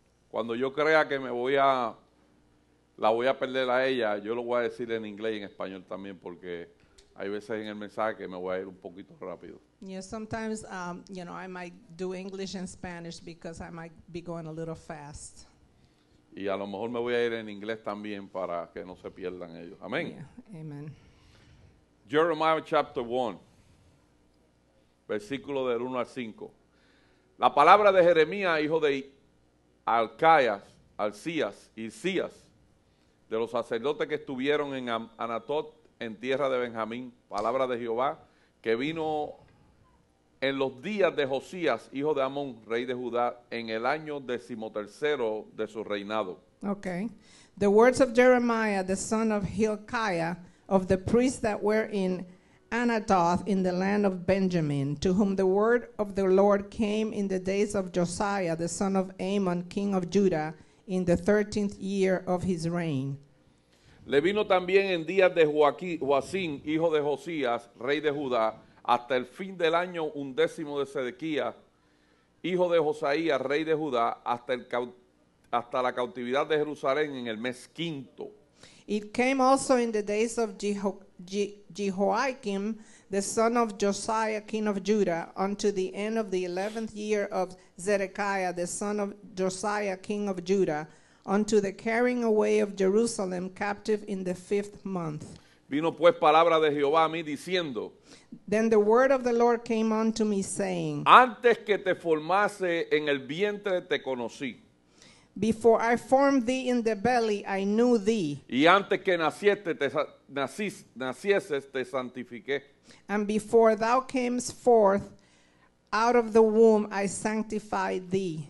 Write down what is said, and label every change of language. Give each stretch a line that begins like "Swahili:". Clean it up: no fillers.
Spanish: Cuando yo crea que la voy a perder a ella, yo lo voy a decir en inglés y en español también porque hay veces en el mensaje que me voy a ir un poquito rápido.
English: Yeah, sometimes, I might do English and Spanish because I might be going a little fast.
Spanish: Y a lo mejor me voy a ir en inglés también para que no se pierdan ellos. Amén.
English: Yeah, amen. Jeremiah chapter 1,
Spanish: versículo del 1 al 5. La palabra de Jeremías, hijo de Alcías, de los sacerdotes que estuvieron en Anatot, en tierra de Benjamín, palabra de Jehová, que vino en los días de Josías, hijo de Amón, rey de Judá, en el año decimotercero de su reinado.
English: Okay. The words of Jeremiah, the son of Hilkiah, of the priests that were in Anatoth, in the land of Benjamin, to whom the word of the Lord came in the days of Josiah, the son of Amon, king of Judah, in the 13th year of his reign.
Spanish: Le vino también en días de Joacín, hijo de Josías, rey de Judá, hasta el fin del año undécimo de Sedequía, hijo de Josaías, rey de Judá, hasta la cautividad de Jerusalén en el mes quinto.
English: It came also in the days of Jehoiakim, the son of Josiah, king of Judah, unto the end of the 11th year of Zedekiah, the son of Josiah, king of Judah, unto the carrying away of Jerusalem captive in the 5th month.
Spanish: Vino pues palabra de Jehová a mí diciendo,
English: then the word of the Lord came unto me saying,
Spanish: antes que te formase en el vientre te conocí.
English: Before I formed thee in the belly, I knew thee.
Spanish: Y antes que nacieses, te santifiqué.
English: And before thou camest forth out of the womb, I sanctified thee.